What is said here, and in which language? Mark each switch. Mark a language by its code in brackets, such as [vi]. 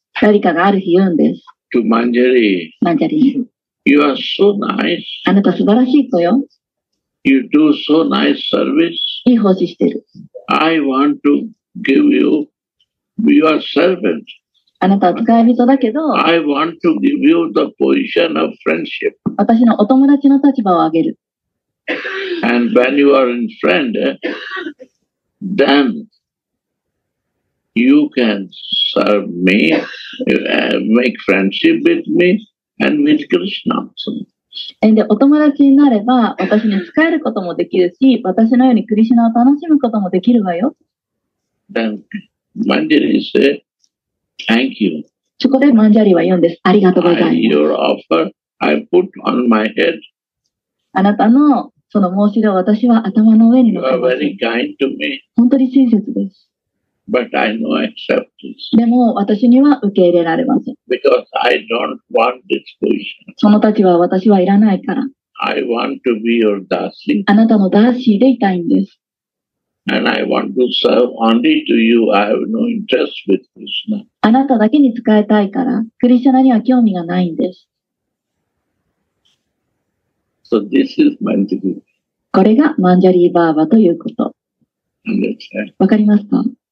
[ja] 誰かがある日言うんです。 [en] To Manjari. Manjari. You are so nice. [ja] あなた素晴らしい子よ。 [en] You do so nice service. [ja] いい奉仕してる。 [en] I want to give you your servant. [ja] あなたは使い人だけど。 [en] I want to give you the position of friendship. [ja] 私のお友達の立場をあげる。 [en] And when you are in friend, then you can serve me, make friendship with me. And with Krishna. [ja] And お友達になれば、私に仕えることもできるし、私のようにクリシナを楽しむこともできるわよ。 [en] Then Manjari said, Thank you. [ja] そこでマンジャリは言うんです。ありがとうございます。 [en] Your offer I put on my head. [ja] あなたのその申し出を私は頭の上に乗せます。 [en] You are very kind to me. [ja] 本当に親切です。 [en] But I no accept this. [ja] でも私には受け入れられません。 [en] Because I don't want this position. [ja] その立場は私はいらないから。 [en] I want to be your dasi. [ja] あなたのダーシーでいたいんです。 [en] And I want to serve only to you. I have no interest with Krishna. [ja] あなただけに仕えたいから、クリシュナには興味がないんです。 [en] So this is Manjari. [ja] これがマンジャリーバーバということ。わかりますか？